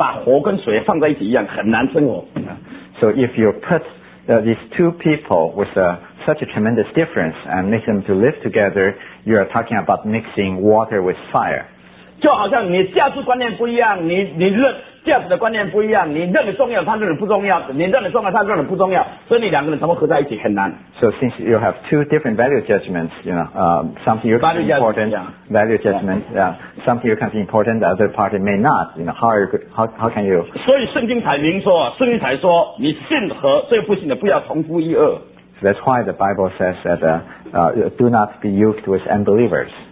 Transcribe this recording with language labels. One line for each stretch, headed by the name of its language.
Chinese: 因此你把这两个不同信仰的人叫他们生活在一起，你就好像是什么的，把火跟水放在一起一样，很难生活。
English: So if you put these two people with such a tremendous difference and make them to live together, you are talking about mixing water with fire.
Chinese: 就好像你价值观念不一样，你价值的观念不一样，你认为重要，他认为不重要，你认为重要，他认为不重要，所以你两个人怎么合在一起很难。
English: So since you have two different value judgments, you know, something you can be important, value judgment, something you can be important, the other party may not, you know, how can you?
Chinese: 所以圣经才明说，圣经才说，你信和这个不信的不要同父异母。
English: So that's why the Bible says that do not be yoked with unbelievers.